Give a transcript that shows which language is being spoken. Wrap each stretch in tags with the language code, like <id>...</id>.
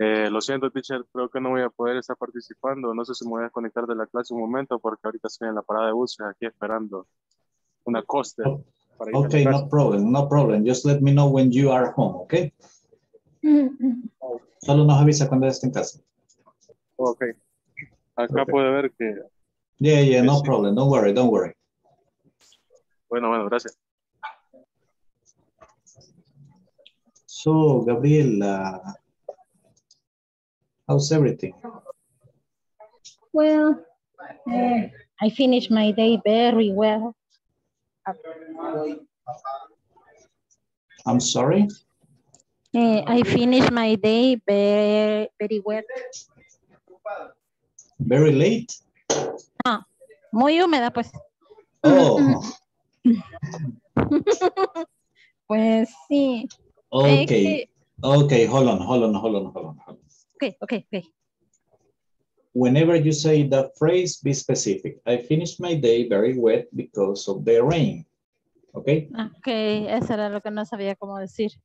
<es>Lo siento, teacher, creo que no voy a poder estar participando. No sé si me voy a conectar de la clase un momento porque ahorita estoy en la parada de buses aquí esperando una coaster.</es> <en>Okay, no problem, no problem. Just let me know when you are home, okay?</en> <es>Solo nos avisa cuando esté en casa. Okay. Acá puede ver que...</es> <en>Yeah, no problem. Don't worry.</en> <es>Bueno, gracias.</es> <en>So, Gabriela... How's everything? Well, I finished my day very well. I'm sorry? I finished my day very well. Very late?</en> <es>Ah, muy húmeda, pues. Oh. Pues sí.</es> <en>Okay. Okay, hold on. Okay. Whenever you say that phrase, be specific. I finished my day very wet because of the rain. Okay?</en> <es>Okay, eso era lo que no sabía cómo decir.</es>